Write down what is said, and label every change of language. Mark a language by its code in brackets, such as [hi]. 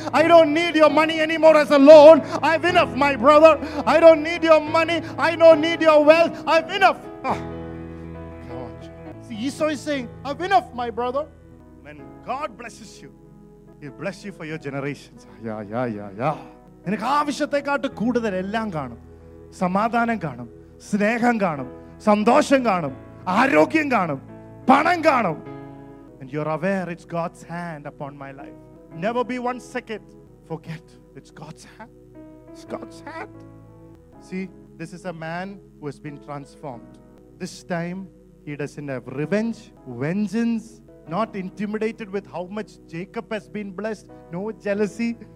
[en] I don't need your money anymore as a loan. I have enough, my brother. I don't need your money. I don't need your wealth. I have enough. God. See, Esau is saying, I have enough, my brother. When God blesses you, He bless you for your generations. Yeah. [ml] നിനക്ക് ആവശ്യത്തെക്കാട്ട് കൂടുതൽ എല്ലാം കാണും. സമാധാനം കാണും, സ്നേഹം കാണും, സന്തോഷം കാണും, ആരോഗ്യം കാണും, പണം കാണും. [en] And you're aware it's God's hand upon my life. Never be one second forget it's God's hand. It's God's hand. See, this is a man who has been transformed. This time he doesn't have revenge, vengeance, not intimidated with how much Jacob has been blessed, no jealousy.